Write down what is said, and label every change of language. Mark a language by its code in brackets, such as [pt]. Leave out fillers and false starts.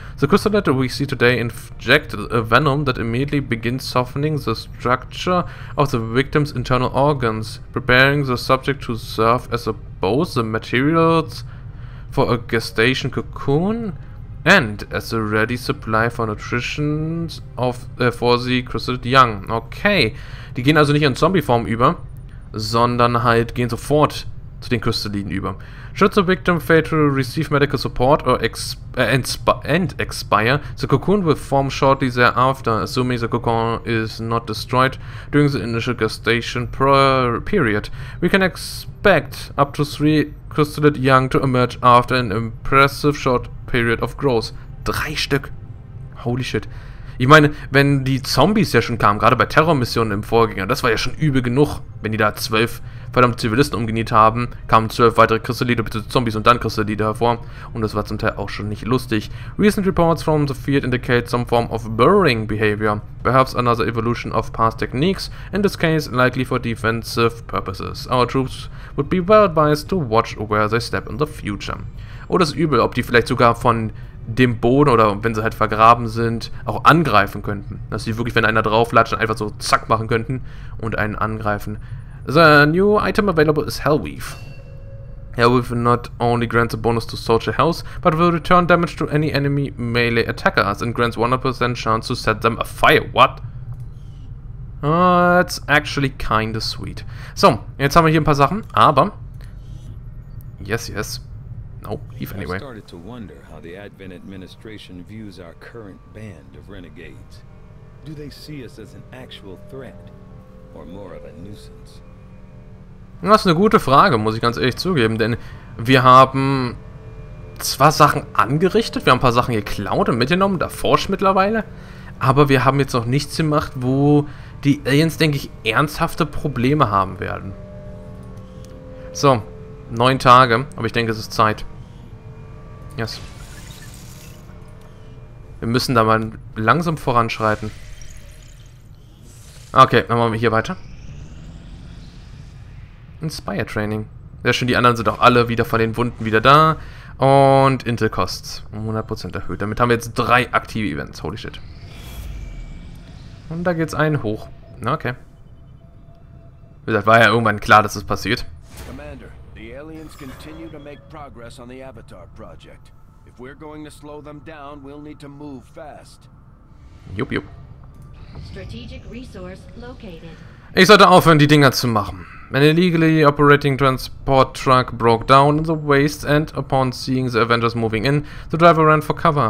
[en] The chrysalid we see today inject a venom that immediately begins softening the structure of the victim's internal organs, preparing the subject to serve as both the materials for a gestation cocoon and as a ready supply for nutrition for the chrysalid young. [de] Okay, die gehen also nicht in Zombie-Form über, sondern halt gehen sofort zu den Chrysaliden über. [en] Should the victim fail to receive medical support or expire, the cocoon will form shortly thereafter, assuming the cocoon is not destroyed during the initial gestation period. We can expect up to 3 chrysalid young to emerge after an impressive short period of growth. [de] 3 Stück. [en] Holy shit. [de] Ich meine, wenn die Zombies ja schon kamen, gerade bei Terrormissionen im Vorgänger, das war ja schon übel genug, wenn die da 12 verdammte Zivilisten umgeniet haben, kamen 12 weitere Chrysalide, bitte Zombies und dann Chrysalide hervor. Und das war zum Teil auch schon nicht lustig. [en] Recent reports from the field indicate some form of burrowing behavior, perhaps another evolution of past techniques, in this case likely for defensive purposes. Our troops would be well advised to watch where they step in the future. [de] Oder ist übel, ob die vielleicht sogar von dem Boden oder wenn sie halt vergraben sind, auch angreifen könnten. Dass sie wirklich, wenn einer drauflatscht, einfach so zack machen könnten und einen angreifen. [en] The new item available is Hellweave. Hellweave not only grants a bonus to soldier health, but will return damage to any enemy melee attackers and grants 100% chance to set them afire. What? That's actually kinda sweet. [de] So, jetzt haben wir hier ein paar Sachen, aber... [en] Yes, yes. Nope, if anyway. I started to wonder how the Advent administration views our current band of renegades. Do they see us as an actual threat or more of a nuisance? [de] Das ist eine gute Frage, muss ich ganz ehrlich zugeben, denn wir haben zwar Sachen angerichtet, wir haben ein paar Sachen geklaut und mitgenommen, da forscht mittlerweile, aber wir haben jetzt noch nichts gemacht, wo die Aliens, denke ich, ernsthafte Probleme haben werden. So. 9 Tage, aber ich denke, es ist Zeit. Yes. Wir müssen da mal langsam voranschreiten. Okay, dann machen wir hier weiter. Inspire Training. Sehr schön, die anderen sind auch alle wieder von den Wunden wieder da. Und Intel Costs. 100% erhöht. Damit haben wir jetzt 3 aktive Events. [en] Holy shit. [de] Und da geht's einen hoch. Na, okay. Wie gesagt, war ja irgendwann klar, dass es passiert. [en] Continue to make progress on the Avatar project. If we're going to slow them down, we'll need to move fast. Jupp, jupp. Strategic resource located. [de] Ich sollte aufhören, die Dinger zu machen. [en] An illegally operating transport truck broke down in the waste, and upon seeing the Avengers moving in, the driver ran for cover.